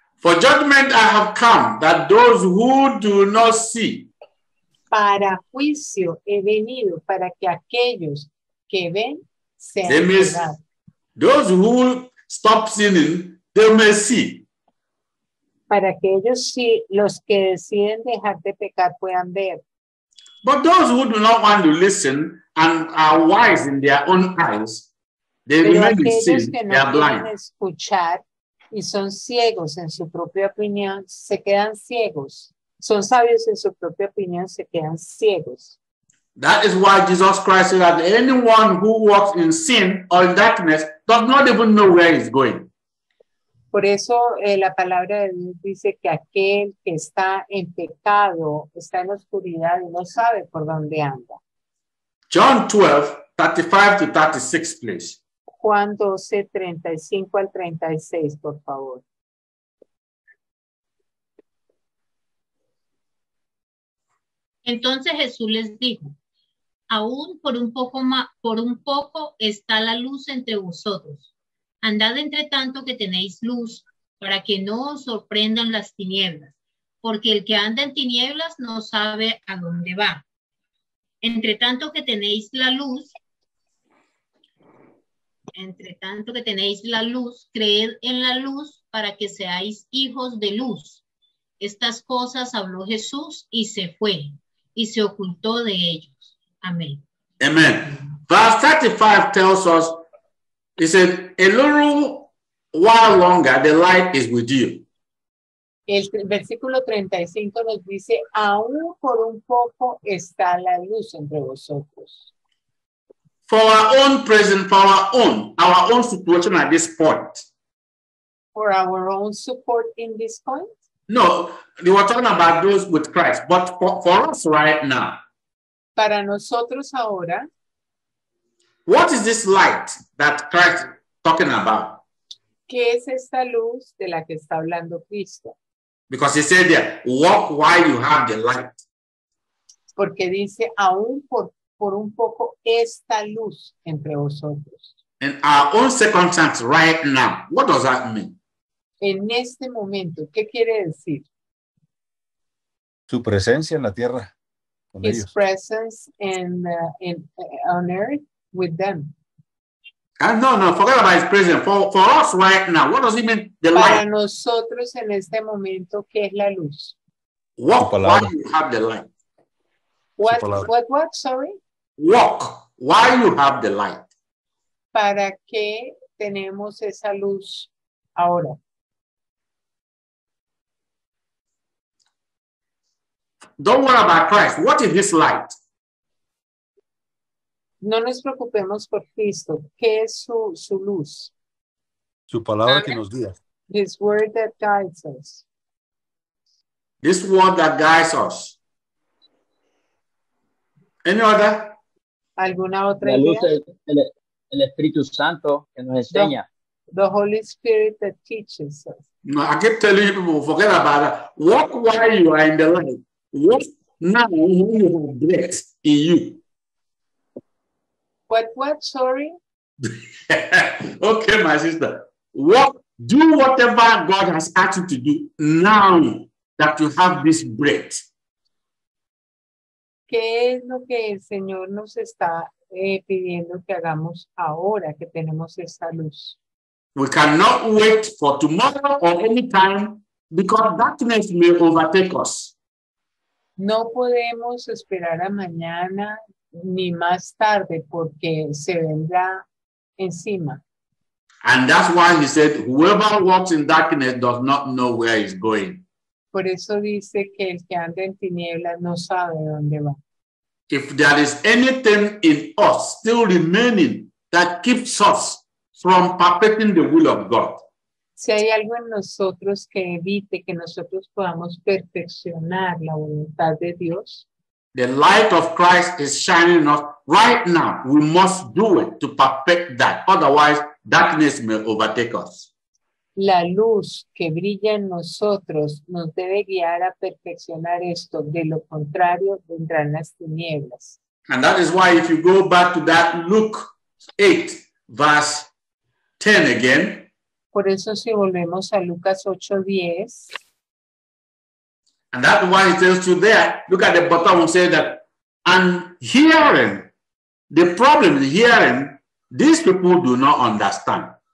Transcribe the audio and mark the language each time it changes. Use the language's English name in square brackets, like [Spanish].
[English] For judgment I have come, that those who do not see. [Spanish] Para juicio he venido, para que aquellos que ven sean. [English] They may see. Those who stop sinning, they may see. [Spanish] Para que ellos sí, los que deciden dejar de pecar puedan ver. [English] But those who do not want to listen and are wise in their own eyes, they remain in sin, they are blind. [Spanish] Escuchar y son ciegos en su propia opinión, se quedan ciegos. Son sabios en su propia opinión, se quedan ciegos. [English] That is why Jesus Christ said that anyone who walks in sin or in darkness does not even know where he's going. [Spanish] Por eso la palabra de Dios dice que aquel que está en pecado está en la oscuridad y no sabe por dónde anda. [English] John 12, 35 to 36, please. [Spanish] Juan 12, 35 al 36, por favor. Entonces Jesús les dijo, aún por un poco más, por un poco está la luz entre vosotros. Andad entre tanto que tenéis luz, para que no os sorprendan las tinieblas, porque el que anda en tinieblas no sabe a dónde va. Entre tanto que tenéis la luz, creed en la luz para que seáis hijos de luz. Estas cosas habló Jesús y se fue, y se ocultó de ellos. Amén. Amén. [English] Verse 35 tells us, he said, a little while longer, the light is with you. [Spanish] El versículo 35 nos dice, aún por un poco está la luz entre vosotros. [English] For our own present, for our own situation at this point. For our own support in this point? No, we were talking about those with Christ, but for us right now. [Spanish] Para nosotros ahora. [English] What is this light that Christ is talking about? [Spanish] ¿Qué es esta luz de la que está hablando Cristo? [English] Because he said there, walk while you have the light. [Spanish] Porque dice, aún por un poco esta luz entre vosotros. [English] In our own circumstance right now, what does that mean? [Spanish] En este momento, ¿qué quiere decir? Su presencia en la tierra. [English] His [Spanish] ellos. [English] Presence on earth. With them. No, forget about his presence. For us right now, what does he mean? The [Spanish] para [English] light. [Spanish] Para nosotros en este momento, ¿qué es la luz? [English] Walk while you have the light. What, sorry? Walk Why you have the light? [Spanish] ¿Para qué tenemos esa luz ahora? [English] Don't worry about Christ. What is his light? [Spanish] No nos preocupemos por Cristo. ¿Qué es su luz? Su palabra que nos guía. [English] His word that guides us. This word that guides us. Any other? [Spanish] ¿Alguna otra idea? La luz el Espíritu Santo que nos enseña. [English] The Holy Spirit that teaches us. No, I keep telling you people, forget about that. Walk while you are in the light. What now you have breath in you? What? Sorry? Okay, my sister. Do whatever God has asked you to do now that you have this breath. [Spanish] ¿Qué es lo que el Señor nos está pidiendo que hagamos ahora que tenemos esta luz? [English] We cannot wait for tomorrow or any time because darkness may overtake us. [Spanish] No podemos esperar a mañana ni más tarde porque se vendrá encima. [English] And that's why he said, whoever walks in darkness does not know where he's going. [Spanish] Por eso dice que el que anda en tinieblas no sabe dónde va. [English] If there is anything in us still remaining that keeps us from perpetuating the will of God. [Spanish] Si hay algo en nosotros que evite que nosotros podamos perfeccionar la voluntad de Dios. [English] The light of Christ is shining on us right now. We must do it to perfect that. Otherwise, darkness may overtake us. [Spanish] La luz que brilla en nosotros nos debe guiar a perfeccionar esto. De lo contrario, vendrán las tinieblas. [English] And that is why if you go back to that Luke 8, verse 10 again. [Spanish] Por eso si volvemos a Lucas 8:10. [English] And that one tells you there, look at the bottom and say that, and hearing, the problem is hearing, these people do not understand.